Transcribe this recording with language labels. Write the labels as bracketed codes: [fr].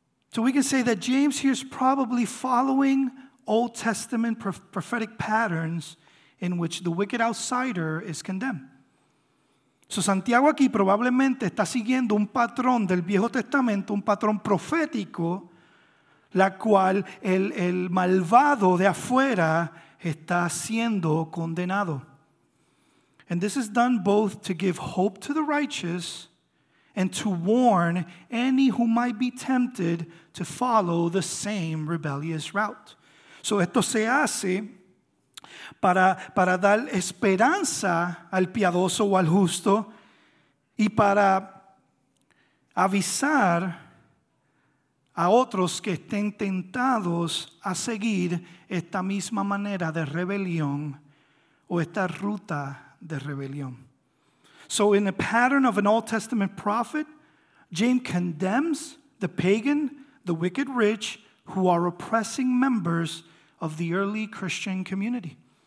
[en] So we can say that James here is probably following Old Testament prophetic patterns in which the wicked outsider is condemned. [es] So Santiago aquí probablemente está siguiendo un patrón del Viejo Testamento, un patrón profético, la cual el malvado de afuera está siendo condenado. [en] And this is done both to give hope to the righteous and to warn any who might be tempted to follow the same rebellious route. [es] So esto se hace para dar esperanza al piadoso o al justo y para avisar a otros que estén tentados a seguir esta misma manera de rebelión o esta ruta de rebelión. [en] So in the pattern of an Old Testament prophet, James condemns the pagan, the wicked rich, who are oppressing members of the early Christian community.